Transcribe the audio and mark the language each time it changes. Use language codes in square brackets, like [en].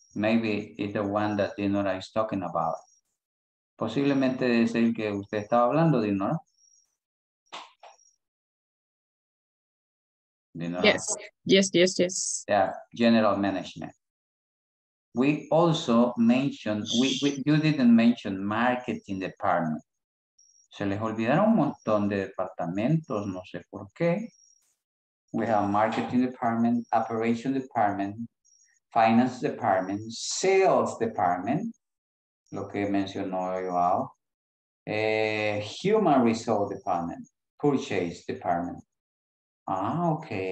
[en] Maybe it's the one that Dinora is talking about. [es] Posiblemente es el que usted estaba hablando, Dinora. [en] Yes. Yeah, general management. We also mentioned, you didn't mention marketing department. [es] Se les olvidaron un montón de departamentos, no sé por qué. [en] We have marketing department, operation department, finance department, sales department, [es] lo que mencionó [en] Joao, human resource department, purchase department. Ah, ok.